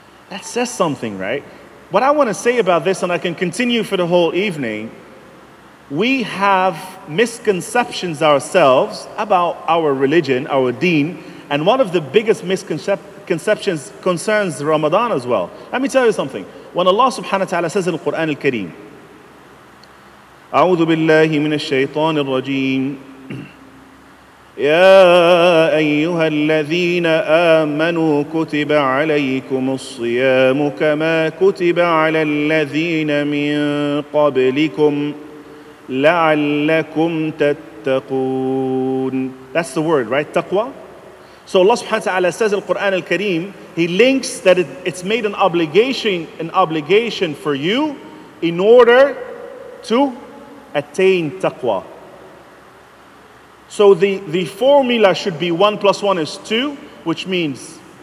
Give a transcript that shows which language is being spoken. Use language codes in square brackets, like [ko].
[en] That says something, right? What I want to say about this, and I can continue for the whole evening, we have misconceptions ourselves about our religion, our deen, and one of the biggest misconceptions concerns Ramadan as well. Let me tell you something. When Allah subhanahu wa ta'ala says in the Quran al-Kareem, [ar] أعوذ بالله من الشيطان الرجيم يا أيها الذين آمنوا كتب عليكم الصيام كما كتب على الذين من قبلكم لعلكم تتقون. [en] That's the word, right? Taqwa. So Allah subhanahu wa ta'ala says in the Quran al-Kareem, He links that it's made an obligation for you in order to attain taqwa. So the formula should be 1 plus 1 is 2, which means